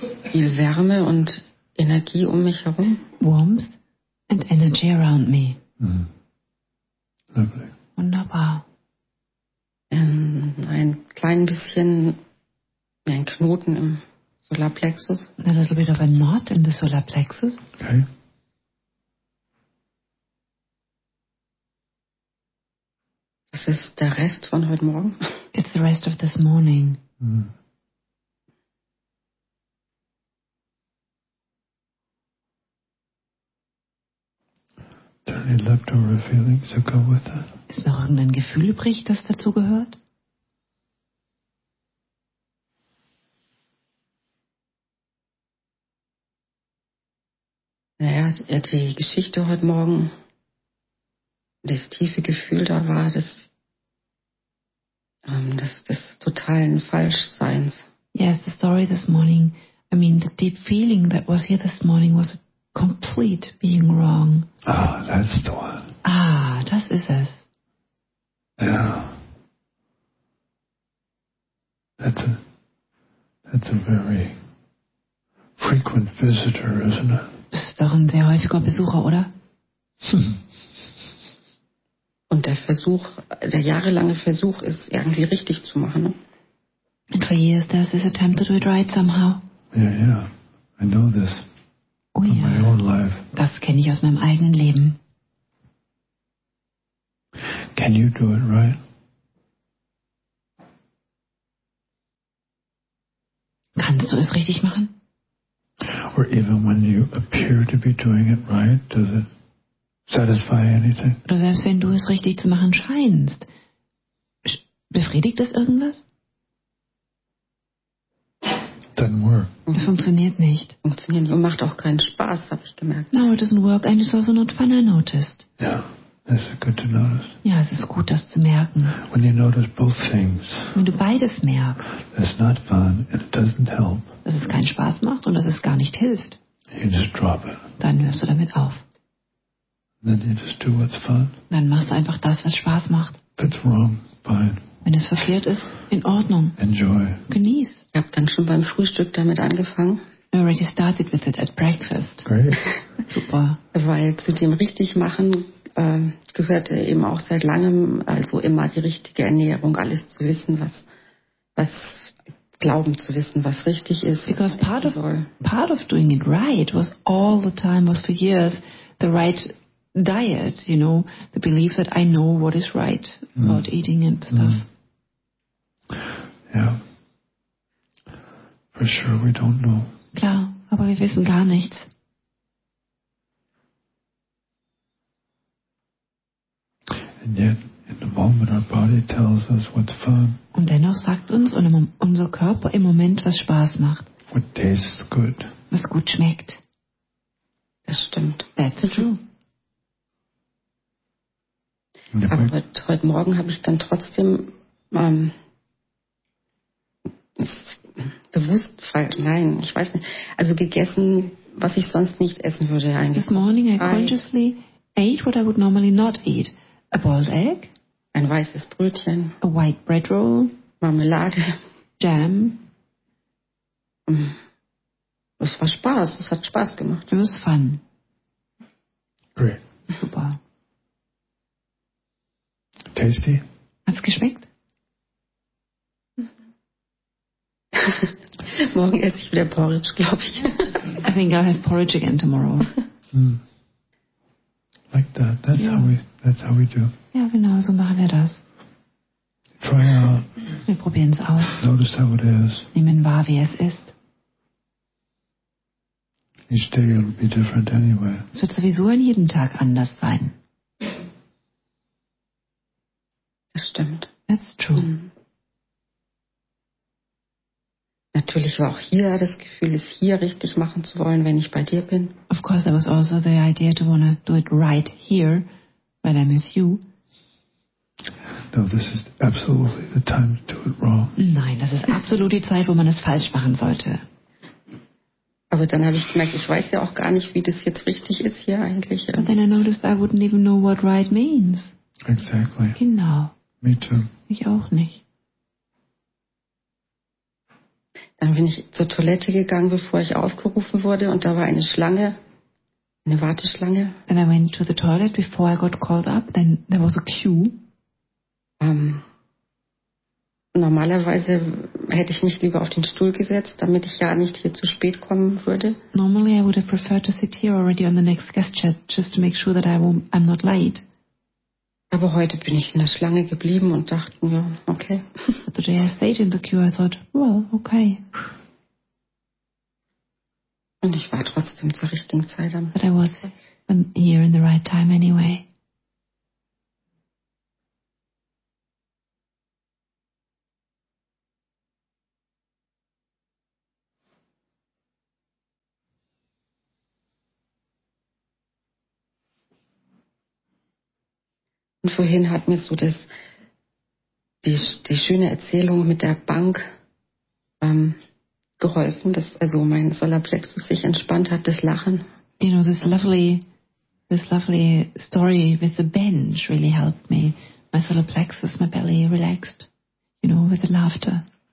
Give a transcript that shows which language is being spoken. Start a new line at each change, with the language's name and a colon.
German: Viel Wärme und Energie um mich herum.
English: Warmth and energy around me. Lovely.
German: Wunderbar. Ein klein bisschen wie ein Knoten im Solar Plexus.
English: A little bit of a knot in the solar plexus. Okay.
German: Das ist der Rest von heute Morgen.
English: It's the rest of this morning. Any leftover feelings that go with that?
German: Ist noch irgendein Gefühl übrig, das dazu gehört? Naja, die Geschichte heute Morgen, das tiefe Gefühl da war, des totalen Falschseins.
English: Yes, the story this morning, I mean, the deep feeling that was here this morning was complete being wrong. Ah, that's the one.
German: Ah, das ist es.
English: Yeah. That's a very frequent visitor, isn't it? Das ist doch ein sehr häufiger Besucher, oder?
German: Und der Versuch, der jahrelange Versuch, ist irgendwie richtig zu machen, ne?
English: And for years there's this attempt to do it right somehow. Yeah, yeah. I know this. Oh, from yeah. My own life.
German: Das kenne ich aus meinem eigenen Leben.
English: Can you do it right?
German: Kannst du es richtig machen?
English: Or even when you appear to be doing it right, does it satisfy anything?
German: Oder selbst wenn du es richtig zu machen scheinst, Befriedigt das irgendwas?
English: Doesn't work.
German: Es funktioniert nicht. Funktioniert nicht und macht auch keinen Spaß, habe ich gemerkt.
English: No, it doesn't work. And it's also not fun, I noticed. Yeah, that's good to notice.
German: Ja, es ist gut, das zu merken.
English: When you notice both things.
German: Wenn du beides merkst.
English: It's not fun and it doesn't help.
German: Dass es keinen Spaß macht und dass es gar nicht hilft.
English: You just drop it.
German: Dann hörst du damit auf.
English: Then you just do what's fun.
German: Dann machst du einfach das, was Spaß macht.
English: If it's wrong, fine.
German: Wenn es verkehrt ist, in Ordnung.
English: Enjoy.
German: Genieß. Ich habe dann schon beim Frühstück damit angefangen.
English: I already started with it at breakfast. Great.
German: Super. Weil zu dem Richtigmachen gehörte eben auch seit langem, also immer die richtige Ernährung, alles zu wissen, was glauben zu wissen, was richtig ist.
English: Because part of doing it right was all the time, was for years, the right diet, you know, the belief that I know what is right about eating and stuff. Yeah. For sure we don't know.
German: Klar, aber wir wissen gar nichts.
English: And yet, in the moment our body tells us what's fun.
German: Und dennoch sagt uns unser Körper im Moment, was Spaß macht.
English: What tastes good.
German: Was gut schmeckt. Das stimmt.
English: That's true.
German: Aber heute Morgen habe ich dann trotzdem bewusst, nein, ich weiß nicht, also gegessen, was ich sonst nicht essen würde eigentlich.
English: This morning I consciously ate what I would normally not eat. A boiled egg.
German: Ein weißes Brötchen.
English: A white bread roll.
German: Marmelade.
English: Jam.
German: Es war Spaß, es hat Spaß gemacht.
English: It was fun. Great.
German: Super.
English: Tasty.
German: Hat's geschmeckt? Morgen esse ich wieder Porridge, glaube ich.
English: I think I'll have porridge again tomorrow. Like that. That's how we. That's how we do.
German: Ja, genau. So machen wir das.
English: Try out.
German: Wir probieren es aus.
English: Notice how it is.
German: Nehmen wahr, wie es ist.
English: Each day will be different anyway.
German: Es wird sowieso an jedem Tag anders sein. Stimmt.
English: That's true. Mhm.
German: Natürlich war auch hier das Gefühl, es hier richtig machen zu wollen, wenn ich bei dir bin.
English: Of course, there was also the idea to want to do it right here, when I'm with you. No, this is absolutely the time to do it wrong.
German: Nein, das ist absolut die Zeit, wo man es falsch machen sollte. Aber dann habe ich gemerkt, ich weiß ja auch gar nicht, wie das jetzt richtig ist hier eigentlich.
English: But then I noticed I wouldn't even know what right means. Exactly.
German: Genau.
English: Me too.
German: Ich auch nicht. Dann bin ich zur Toilette gegangen, bevor ich aufgerufen wurde, und da war eine Schlange, eine Warteschlange.
English: Then I went to the toilet before I got called up. Then there was a queue.
German: Normalerweise hätte ich mich lieber auf den Stuhl gesetzt, damit ich ja nicht hier zu spät kommen würde.
English: Normally I would have preferred to sit here already on the next guest chat, just to make sure that I'm not late.
German: Aber heute bin ich in der Schlange geblieben und dachte mir, okay.
English: Today I stayed in the queue, I thought, well, okay.
German: Und ich war trotzdem zur richtigen Zeit am.
English: But I was here in the right time anyway.
German: Und vorhin hat mir so die schöne Erzählung mit der Bank geholfen, dass also mein Solarplexus sich entspannt hat, das Lachen.
English: You know, this lovely story with the bench really helped me. My Solarplexus, my belly relaxed, you know, with the laughter.